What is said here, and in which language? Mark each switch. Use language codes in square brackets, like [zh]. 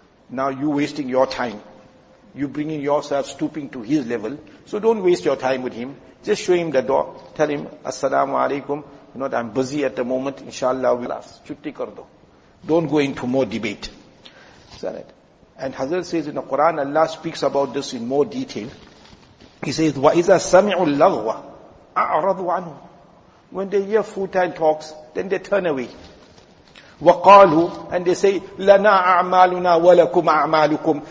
[en] Now you wasting your time. You bringing yourself stooping to his level. So don't waste your time with him. Just show him the door. Tell him, assalamu alaikum. You know, I'm busy at the moment. Inshallah, we'll ask. [ur] Chutti kar do. [en] Don't go into more debate. Is that it? And Hazrat says in the Quran, Allah speaks about this in more detail. He says, [ar] وَإِذَا سَمِعُوا اللَّغْوَ أَعْرَضُوا عَنْهُ. [en] When they hear futile talks, then they turn away. [ar] وَقَالُوا, [en] and they say, [ar] لَنَا أَعْمَالُنَا وَلَكُمْ أَعْمَالُكُمْ.